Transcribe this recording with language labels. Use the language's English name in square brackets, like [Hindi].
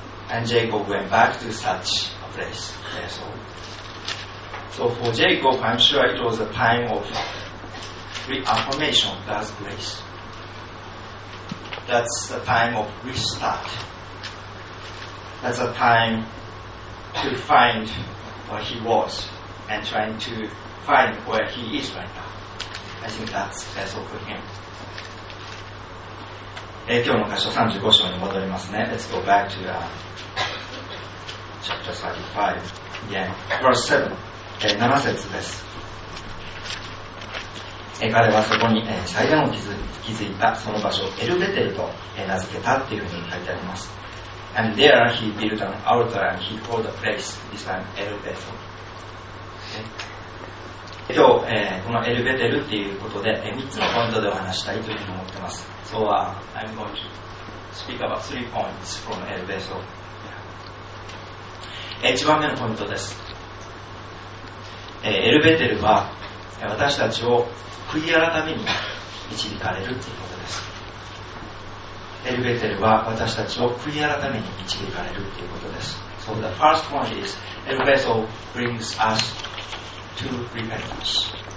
[English] And Jacob went back to such a place. So for Jacob, I'm sure it was a time of reaffirmation of God's grace. That's a time of restart. That's a time to find where he was and trying to find where he is right now. I think that's best for him. [Japanese] 今日の箇所35章に戻りますね。 [English] Let's go back to chapter 35 again. Verse 7、 [Japanese] 7節です。彼はそこに、祭壇を築いたその場所をエルベテルと、名付けたというふうに書いてあります。 [English] And there he built an altar and he called the place this time エルベテル。 [Japanese] 今日、このエルベテルっていうことで、3つのポイントでお話したいというふうに思ってます。 [English] So、I'm going to speak about 3 points from エルベテル。 [Japanese] 1番目のポイントです。エルベテルは私たちを悔い改めに導かれるっていうことです。エルベテルは私たちを悔い改めに導かれるっていうことです。 [English] So the first point is エルベテル brings usTo repentance.